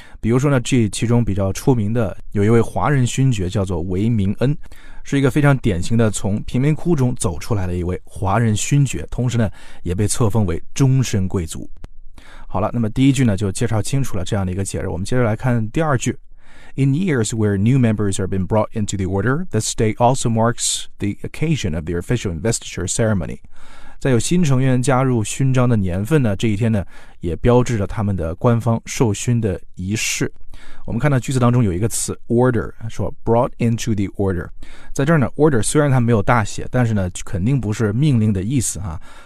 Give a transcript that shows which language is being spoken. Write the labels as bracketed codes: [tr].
[zh] 比如说呢，这其中比较出名的有一位华人勋爵叫做韦明恩，是一个非常典型的从贫民窟中走出来的一位华人勋爵，同时呢也被册封为终身贵族。好了，那么第一句呢就介绍清楚了这样的一个节日，我们接着来看第二句。 [en] In years where new members have been brought into the order, this day also marks the occasion of the official investiture ceremony. [zh] 在有新成员加入勋章的年份呢，这一天呢也标志着他们的官方授勋的仪式。我们看到句子当中有一个词 order， 说 [en] brought into the order。 [zh] 在这儿呢 order 虽然它没有大写，但是呢肯定不是命令的意思啊。